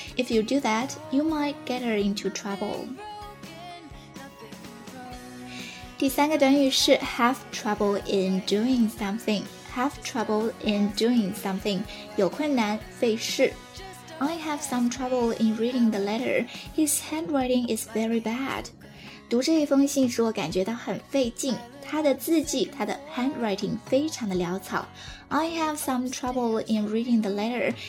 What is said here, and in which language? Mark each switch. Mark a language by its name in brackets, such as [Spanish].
[English] If you do that, you might get her into trouble。 [Chinese] 第三个短语是 [English] have trouble in doing something， [Chinese] have trouble in doing something， 有困难，费事。 [English] I have some trouble in reading the letter. His handwriting is very bad. [Chinese] 读这一封信使我感觉到很费劲。他的字迹，他的 handwriting 非常的潦草。 [English] I have some trouble in reading the letter.